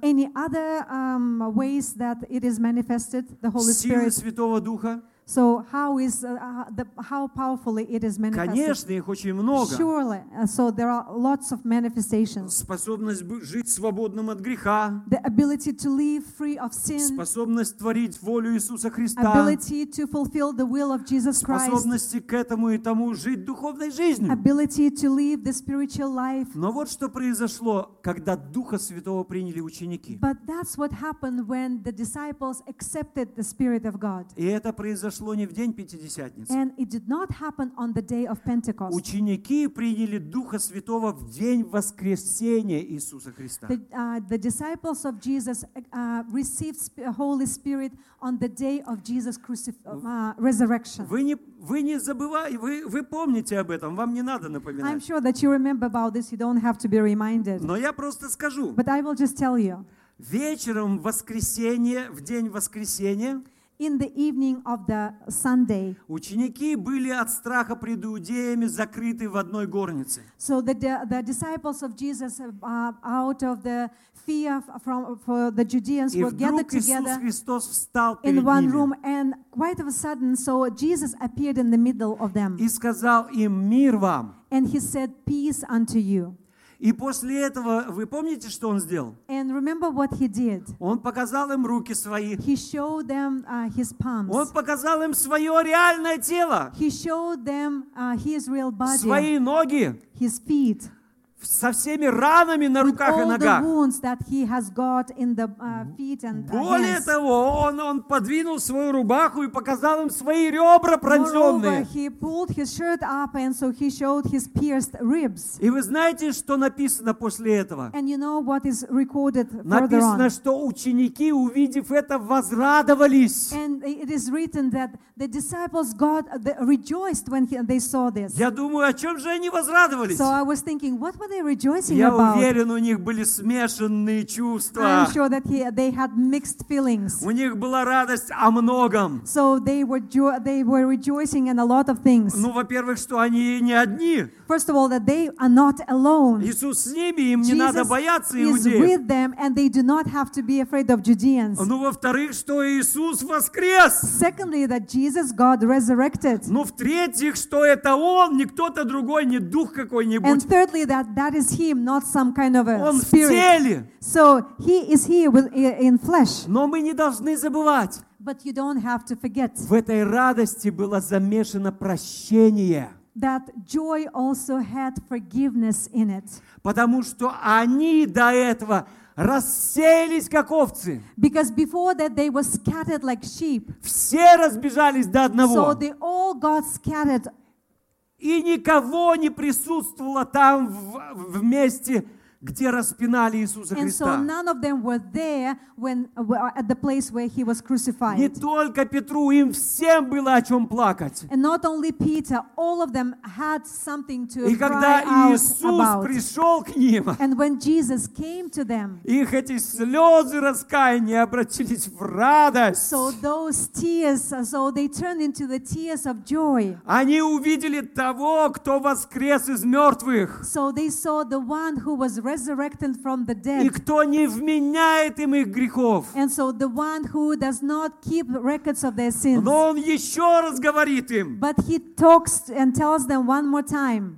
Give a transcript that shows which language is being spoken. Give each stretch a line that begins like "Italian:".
English: Any other ways that it is manifested, the Holy Spirit?
Russian: Силы Святого Духа?
English: So how is how powerfully it is manifested?
Russian: Конечно, их очень много.
English: Surely, so there are lots of manifestations.
Russian: Способность жить свободным от греха.
English: The ability to live free of sin.
Russian: Способность творить волю Иисуса Христа.
English: Ability to fulfill the will of Jesus Christ.
Russian: Способности к этому и тому жить духовной жизнью.
English: Ability to live the spiritual life.
Russian: Но вот что произошло, когда Духа Святого приняли ученики.
English: But that's what happened when the disciples accepted the Spirit of God.
Russian: И это произошло не в день Пятидесятницы.
English: And it did not happen on the day of Pentecost.
Russian: Ученики приняли Духа Святого в день воскресения Иисуса Христа.
English: The disciples of Jesus received Holy Spirit on the day of Jesus' resurrection.
Russian: Вы помните об этом, вам не надо напоминать.
English: I'm sure that you remember about this, you don't have to be reminded.
Russian: Но я просто скажу.
English: But I will just tell you.
Russian: Вечером в воскресенье, в день воскресения,
English: in the evening of the Sunday,
Russian: ученики были от страха пред иудеями закрыты в одной горнице.
English: So the disciples of Jesus out of the fear for the Judeans were gathered together in one room, and quite of a sudden, so Jesus appeared in the middle of them.
Russian: И сказал им мир вам.
English: And he said, peace unto you.
Russian: И после этого, вы помните, что он сделал?
English: And remember what he did.
Russian: Он показал им руки свои.
English: He showed them his palms.
Russian: Он показал им свое реальное тело.
English: He showed them his real body.
Russian: Свои ноги.
English: His feet.
Russian: Со всеми ранами на руках
English: with
Russian: и ногах.
English: The wounds that he has got in the feet and
Russian: более
English: hands.
Russian: Того, он подвинул свою рубаху и показал им свои ребра пронзенные.
English: Moreover, he pulled his shirt up and so he showed his pierced ribs.
Russian: И вы знаете, что написано после этого?
English: And you know what is recorded further on?
Russian: Написано, что ученики, увидев это, возрадовались.
English: And it is written that the disciples got rejoiced when they saw this.
Russian: Я думаю, о чем же они возрадовались?
English: So I was thinking, what were they rejoicing
Russian: я
English: about?
Russian: Уверен, у них были смешанные чувства.
English: I'm sure that they had mixed feelings.
Russian: У них была радость о многом.
English: So they were rejoicing in a lot of things.
Russian: Ну, во-первых, что они не одни.
English: First of all, that they are not alone.
Russian: Иисус с ними, им не надо бояться иудеев.
English: Jesus is with them, and they do not have to be afraid of Judeans.
Russian: Ну, во-вторых, что Иисус воскрес.
English: Secondly, that Jesus God resurrected.
Russian: Ну, в-третьих, что это Он, не кто-то другой, не дух какой-нибудь.
English: And thirdly, that is him, not some kind of a spirit.
Russian: Он в теле.
English: So he is here in flesh.
Russian: Но мы не должны забывать.
English: But you don't have to forget.
Russian: В этой радости было замешано прощение.
English: That joy also had forgiveness in it.
Russian: Потому что они до этого рассеялись как овцы.
English: Because before that they were scattered like sheep.
Russian: Все разбежались до одного.
English: So they all got scattered.
Russian: И никого не присутствовало там в месте, где распинали Иисуса Христа.
English: And so none of them were there at the place where he was crucified.
Russian: Не только Петру, им всем было о чем плакать.
English: And not only Peter, all of them had something to cry out about.
Russian: И когда Иисус пришел к ним,
English: and when Jesus came to them,
Russian: их эти слезы раскаяния обратились в радость.
English: So those tears, so they turned into the tears of joy.
Russian: Они увидели того, кто воскрес из мертвых.
English: So they saw the one who was resurrected from the dead.
Russian: И кто не вменяет им их грехов.
English: And so the one who does not keep records of their sins.
Russian: Но он еще раз говорит им.
English: But he talks and tells them one more time.